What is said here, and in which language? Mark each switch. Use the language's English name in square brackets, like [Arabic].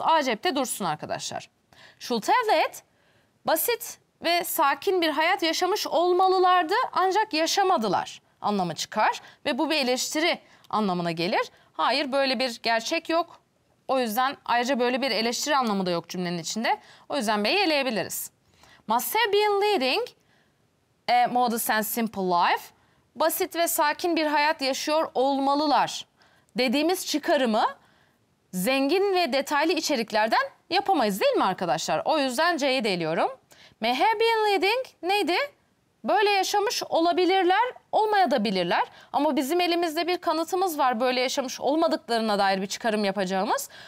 [Turkish] A cepte dursun arkadaşlar. [English] Should have led, [Turkish] basit ve sakin bir hayat yaşamış olmalılardı ancak yaşamadılar anlamı çıkar. Ve bu bir eleştiri anlamına gelir. Hayır, böyle bir gerçek yok. O yüzden ayrıca böyle bir eleştiri anlamı da yok cümlenin içinde. O yüzden B'yi eleyebiliriz. [English] Must have been leading a modest and simple life. [Turkish] Basit ve sakin bir hayat yaşıyor olmalılar dediğimiz çıkarımı zengin ve detaylı içeriklerden yapamayız değil mi arkadaşlar? O yüzden C'yi de eliyorum. [English] May have been leading [Turkish] neydi? Böyle yaşamış olabilirler, olmayabilirler. Ama bizim elimizde bir kanıtımız var böyle yaşamış olmadıklarına dair bir çıkarım yapacağımız.